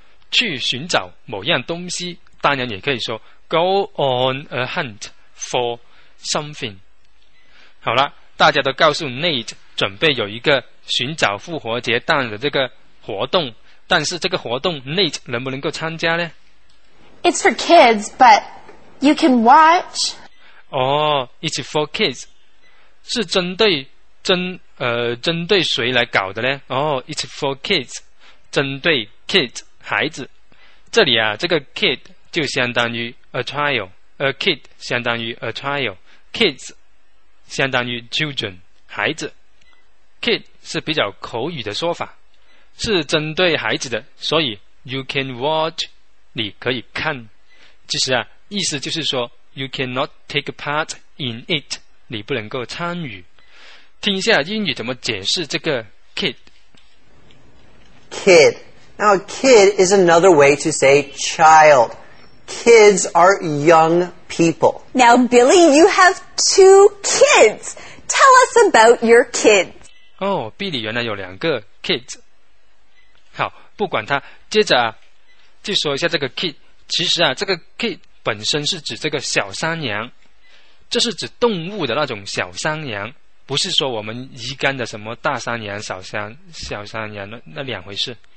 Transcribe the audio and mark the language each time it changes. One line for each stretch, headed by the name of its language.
Chinese: 去寻找某样东西，当然也可以说
English: go on a hunt for something。
Chinese: 好了，大家都告诉 Nate 准备有一个寻找复活节蛋的这个活动，但是这个活动 Nate 能不能够参加呢？
English: It's for kids, but you can watch. Oh, it's for kids，
Chinese: 是针对针对谁来搞的呢？哦、
English: it's for kids，
Chinese: 针对 kids 孩子。这里啊，这个 kid 就相当于 a child，a kid 相当于 a child，kids 相当于 children 孩子。 kid 是比较口语的说法，是针对孩子的，所以
English: you can watch
Chinese: 你可以看。其实啊，意思就是说
English: you cannot take part in it，
Chinese: 你不能够参与。听一下英语怎么解释这个 kid。
English: Kid. Now a kid is another way to say child. Kids are young people. Now Billy, you have two kids. Tell us about your kids.
Chinese: Oh, Billy 原来有两个 kids. 好，不管他，接着啊，就说一下这个 kid。其实啊，这个 kid 本身是指这个小山羊，这是指动物的那种小山羊，不是说我们一干的什么大山羊、小山羊 那两回事。